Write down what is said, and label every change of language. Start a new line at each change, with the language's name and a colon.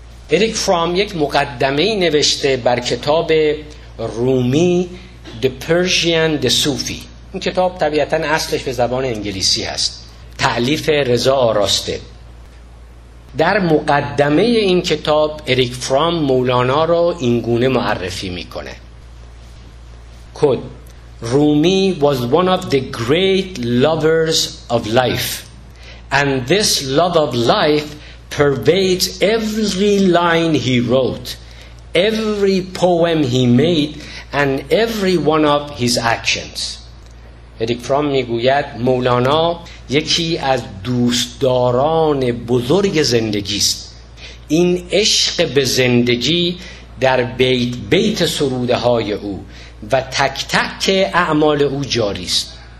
Persian: اریک فرام یک مقدمه‌ای نوشته بر کتاب رومی د
English: The Persian, the Sufi.
Persian: این کتاب طبیعتاً اصلش به زبان انگلیسی هست. تألیف رضا آراسته. در مقدمه این کتاب اریک فرام مولانا را اینگونه معرفی میکنه.
English: کد رومی was one of the great lovers of life and this love of life pervades every line he wrote, every poem he made and every one of his actions.
Persian: اریک فرام میگوید مولانا یکی از دوستداران بزرگ زندگی است. این عشق به زندگی در بیت بیت سروده های او و تک تک اعمال او جاری است.